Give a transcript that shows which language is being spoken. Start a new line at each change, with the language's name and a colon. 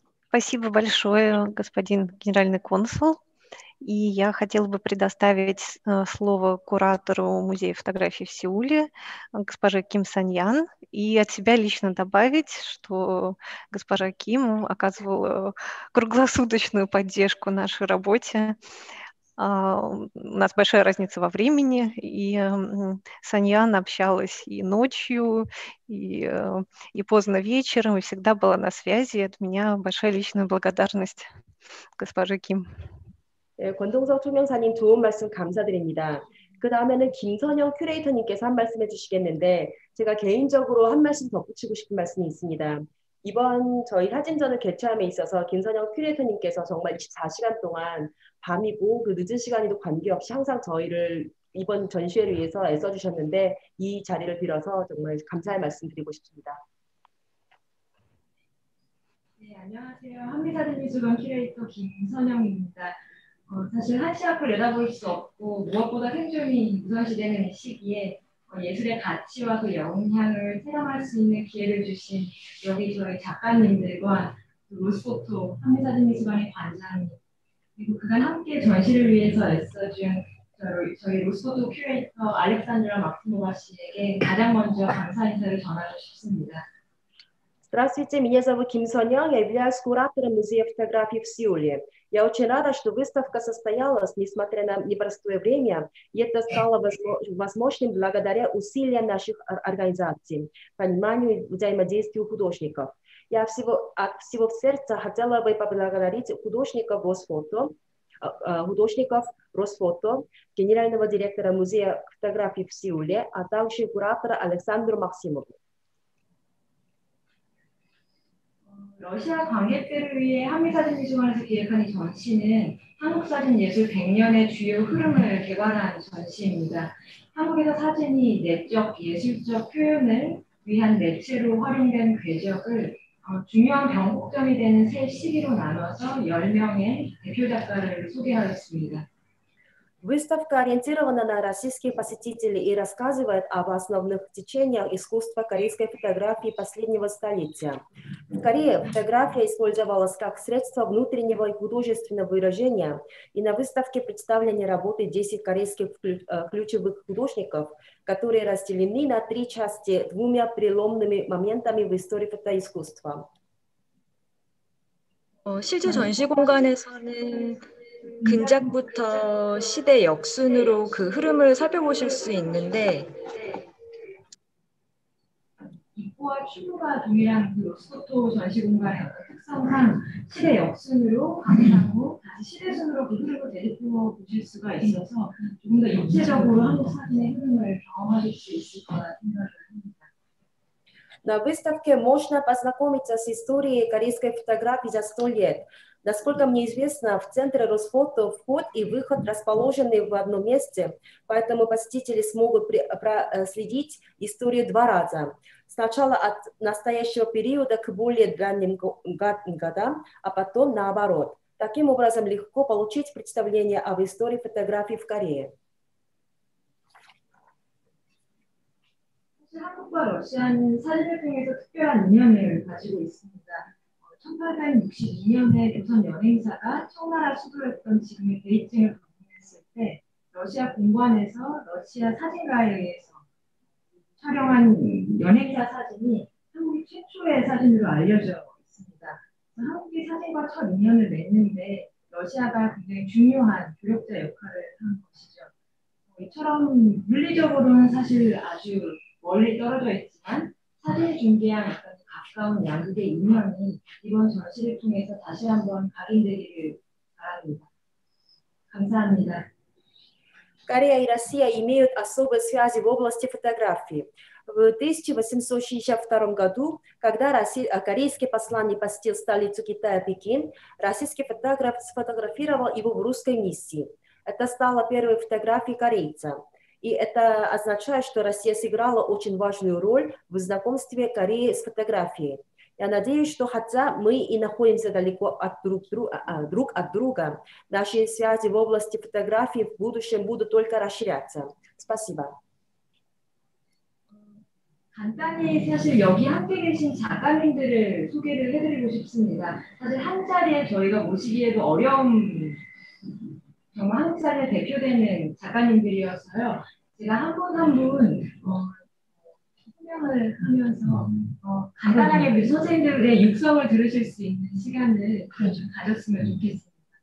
Russian: Спасибо большое, господин генеральный консул. И я хотела бы предоставить слово куратору музея фотографии в Сеуле, госпоже Ким Саньян, и от себя лично добавить, что госпожа Ким оказывала круглосуточную поддержку нашей работе. У нас большая разница во времени, и Саньян общалась и ночью, и поздно вечером, и всегда была на связи. От меня большая личная благодарность госпоже Ким.
Korean: 예, 권동석 총영사님 좋은 말씀 감사드립니다. 그 다음에는 김선영 큐레이터님께서 한 말씀 해주시겠는데 제가 개인적으로 한 말씀 덧붙이고 싶은 말씀이 있습니다. 이번 저희 사진전을 개최함에 있어서 김선영 큐레이터님께서 정말 24시간 동안 밤이고 그 늦은 시간에도 관계없이 항상 저희를 이번 전시회를 위해서 애써주셨는데 이 자리를 빌어서 정말 감사의 말씀 드리고 싶습니다. 네, 안녕하세요. 한미사진미술관 큐레이터 김선영입니다. 사실 한시 앞을 내다볼 수 없고 무엇보다 생존이 우선시되는 시기에 예술의 가치와 그 영향을 체험할 수 있는 기회를 주신 여기 저희 작가님들과 로스포토 한미사진미술관의 관장님 그리고 그간 함께 전시를 위해서 애써준 저희 로스포토 큐레이터 알렉산드라 마크노바 씨에게 가장 먼저 감사 인사를 전하고 싶습니다.
Russian: Здравствуйте, меня зовут Ким Соньон, я являюсь куратором музея фотографии в Сеуле. Я очень рада, что выставка состоялась, несмотря на непростое время, и это стало возможным благодаря усилиям наших организаций, пониманию и взаимодействию художников. Я от всего сердца хотела бы поблагодарить художников Росфото, генерального директора музея фотографии в Сеуле, а также куратора Александру Максимову.
Korean: 러시아 광해 때를 위해 한미사진미술관에서 기획한 이 전시는 한국 사진 예술 100년의 주요 흐름을 개관한 전시입니다. 한국에서 사진이 내적 예술적 표현을 위한 매체로 활용된 궤적을 중요한 변곡점이 되는 세 시기로 나눠서 10명의 대표 작가를 소개하겠습니다.
Russian: Выставка ориентирована на российских посетителей и рассказывает об основных течениях искусства корейской фотографии последнего столетия. В Корее фотография использовалась как средство внутреннего и художественного выражения, и на выставке представлены работы 10 корейских ключевых художников, которые разделены на три части двумя переломными моментами в истории фотоискусства.
Korean: 실제 전시 공간에서는 근작부터 시대 역순으로 그 흐름을 살펴보실 수 있는데 입구와 출구가 동일한 그 로스포토 전시 공간의 특성상 시대 역순으로 감상하고 다시 시대 순으로 그 흐름을 되짚어 보실 수가 있어서 조금 더 입체적으로 한국 사진의 흐름을 경험하실 수 있을 거라 생각을 합니다.
Russian: На выставке можно познакомиться с историей корейской фотографии за 100 лет. Насколько мне известно, в центре Росфото вход и выход расположены в одном месте, поэтому посетители смогут проследить историю два раза. Сначала от настоящего периода к более ранним годам, а потом наоборот. Таким образом, легко получить представление об истории фотографии в Корее.
Korean: 한국과 러시아는 사진을 통해서 특별한 인연을 가지고 있습니다. 1862년에 조선 여행사가 청나라 수도였던 지금의 베이징을 방문했을 때 러시아 공관에서 러시아 사진가에 의해서 촬영한 여행사 사진이 한국이 최초의 사진으로 알려져 있습니다. 한국이 사진과 첫 인연을 맺는데 러시아가 굉장히 중요한 조력자 역할을 한 것이죠. 이처럼 물리적으로는 사실 아주 멀리 떨어져 있지만 사진 중계와 가까운 양국의 인연이 이번 전시를 통해서 다시 한번 각인되기를 바랍니다. 감사합니다.
Russian: Корея и Россия имеют особые связи в области фотографии. В 1862 году, когда корейский посланник посетил столицу Китая, Пекин, российский фотограф сфотографировал его в русской миссии. Это стало первой фотографией корейца. И это означает, что Россия сыграла очень важную роль в знакомстве Кореи с фотографией. Я надеюсь, что хотя мы и находимся далеко от друг от друга, наши связи в области фотографии в будущем будут только расширяться. Спасибо.
Korean: 간단히 사실 여기 함께 계신 작가님들을 소개를 해드리고 싶습니다. 사실 한 자리에 저희가 모시기에도 어려운 정말 한국 사진에 대표되는 작가님들이어서요. 제가 한 분 한 분 설명을 하면서 간단하게 우리 선생님들의 육성을 들으실 수 있는 시간을 가졌으면 좋겠습니다.